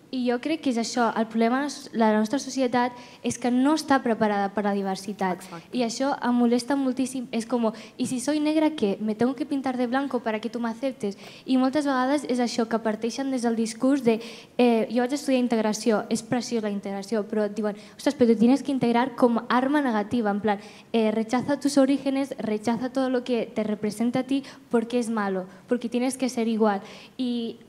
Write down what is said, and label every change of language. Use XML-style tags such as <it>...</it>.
<ca>I jo crec que és això, el problema de la nostra societat és que no està preparada per la diversitat. Exacte. I això em molesta moltíssim, és com, i</ca> <es>si soy negra,</es> <ca>què?</ca> <es>Me tengo que pintar de blanco para que tú me aceptes.</es> <ca>I moltes vegades és això, que parteixen des del discurs de, jo vaig estudiar integració, és preciosa la integració, però diuen: ostres, però</ca> <es>tu tienes que integrar</es> <ca>com arma negativa, en plan,</ca> <es>rechaza tus orígenes, rechaza todo lo que te representa a ti, porque es malo, porque tienes que ser igual.</es> <ca>I</ca>